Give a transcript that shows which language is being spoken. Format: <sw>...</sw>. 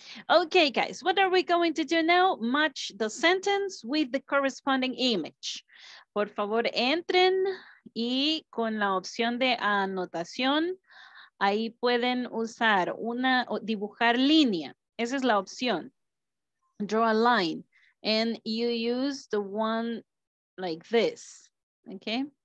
<en>Okay, guys, what are we going to do now? Match the sentence with the corresponding image.</en> <es>Por favor, entren y con la opción de anotación, ahí pueden usar una, dibujar línea. Esa es la opción.</es> <en>Draw a line. And you use the one like this, okay?</en>